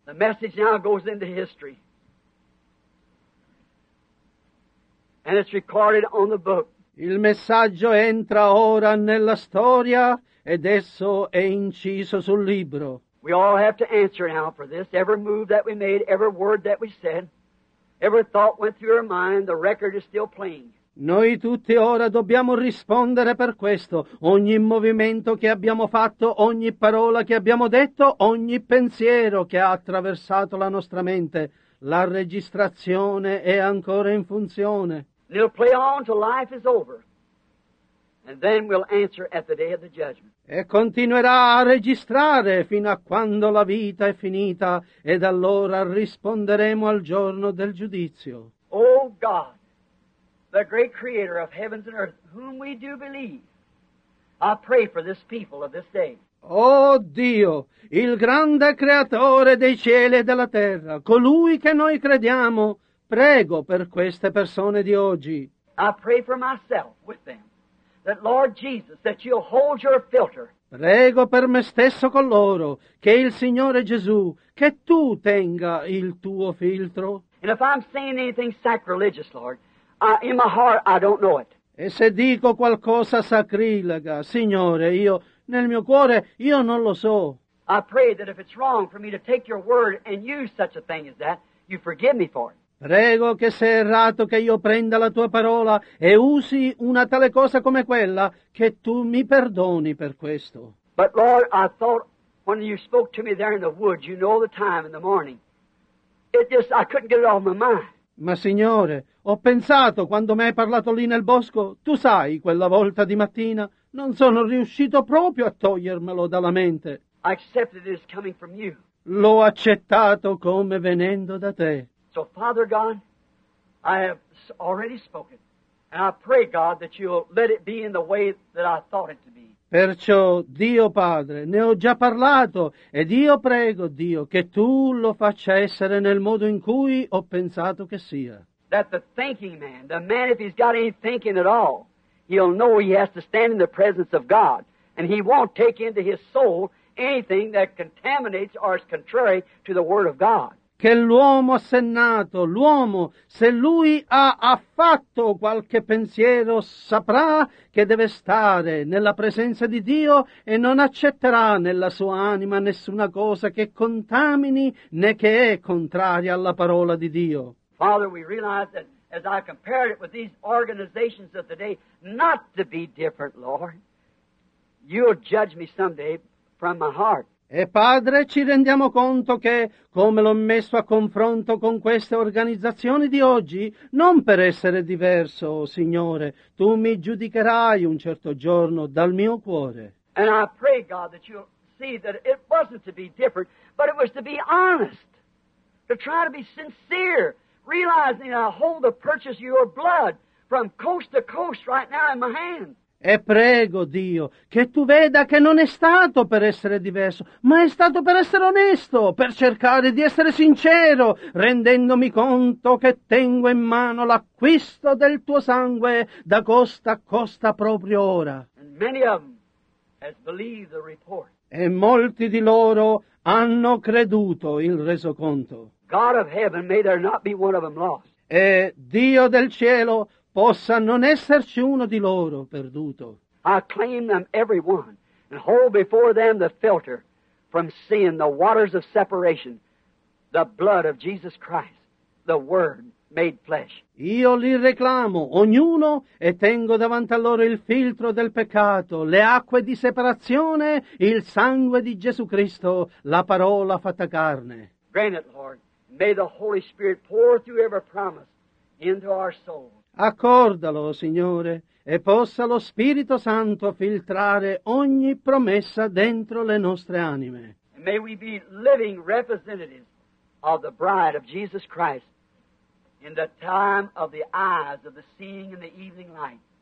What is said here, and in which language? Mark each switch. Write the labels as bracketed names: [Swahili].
[English] The message now goes into history. And it's recorded on the book. [Italian] Il messaggio entra ora nella storia ed esso è inciso sul libro. [English] We all have to answer now for this. Every move that we made, every word that we said. Every thought went through your mind, the record is still playing. [Italian] Noi tutti ora dobbiamo rispondere per questo. Ogni movimento che abbiamo fatto, ogni parola che abbiamo detto, ogni pensiero che ha attraversato la nostra mente, la registrazione è ancora in funzione. [English] They'll play on till life is over. And then we'll answer at the day of the judgment. [Italian] E continuerà a registrare fino a quando la vita è finita, ed allora risponderemo al giorno del giudizio. [English] Oh God, the great creator of heavens and earth, whom we do believe, I pray for this people of this day. [Italian] Oh Dio, il grande creatore dei cieli e della terra, colui che noi crediamo, prego per queste persone di oggi. [English] I pray for myself with them, that Lord Jesus, that you'll hold your filter. [Italian] Prego per me stesso con loro, che il Signore Gesù, che tu tenga il tuo filtro. [English] And if I'm saying anything sacrilegious, Lord, in my heart, I don't know it. [Italian] E se dico qualcosa sacrilega, Signore, io, nel mio cuore, io non lo so. [English] I pray that if it's wrong for me to take your word and use such a thing as that, you forgive me for it. [Italian] Prego che se è errato che io prenda la tua parola e usi una tale cosa come quella, che tu mi perdoni per questo. [English] But Lord, I thought when you spoke to me there in the woods, you know the time in the morning. I couldn't get it off my mind. [Italian] Ma Signore, ho pensato quando mi hai parlato lì nel bosco, tu sai, quella volta di mattina, non sono riuscito proprio a togliermelo dalla mente. [English] I accepted it as coming from you. [Italian] L'ho accettato come venendo da te. [English] So Father God, I have already spoken, and I pray God that you'll let it be in the way that I thought it to be. [Italian] Perciò, Dio Padre, ne ho già parlato, ed io prego, Dio, che tu lo faccia essere nel modo in cui ho pensato che sia. [English] That the thinking man, the man if he's got any thinking at all, he'll know he has to stand in the presence of God, and he won't take into his soul anything that contaminates or is contrary to the Word of God. [Italian] Che l'uomo assennato, l'uomo, se lui ha affatto qualche pensiero, saprà che deve stare nella presenza di Dio e non accetterà nella sua anima nessuna cosa che contamini né che è contraria alla parola di Dio. [English] Father, we realize that as I compared it with these organizations of today, not to be different, Lord, you'll judge me someday from my heart. [Italian] E Padre, ci rendiamo conto che, come l'ho messo a confronto con queste organizzazioni di oggi, non per essere diverso, Signore, Tu mi giudicherai un certo giorno dal mio cuore. [English] And I pray, God, that you'll see that it wasn't to be different, but it was to be honest, to try to be sincere, realizing I hold the purchase of your blood from coast to coast right now in my hand. [Italian] E prego, Dio, che tu veda che non è stato per essere diverso, ma è stato per essere onesto, per cercare di essere sincero, rendendomi conto che tengo in mano l'acquisto del tuo sangue da costa a costa proprio ora. [English] And many of them has believed the report. [Italian] E molti di loro hanno creduto il resoconto. [English] God of heaven, may there not be one of them lost. [Italian] E Dio del cielo, possa non esserci uno di loro perduto. [English] I claim them every one and hold before them the filter from sin, the waters of separation, the blood of Jesus Christ, the Word made flesh. [Italian] Io li reclamo, ognuno, e tengo davanti a loro il filtro del peccato, le acque di separazione, il sangue di Gesù Cristo, la parola fatta carne. [English] Grant it, Lord. May the Holy Spirit pour through every promise into our souls. [Italian] Accordalo, Signore, e possa lo Spirito Santo filtrare ogni promessa dentro le nostre anime. [English] May we be living representatives of the bride of Jesus Christ in the time of the eyes of the seeing and the evening light.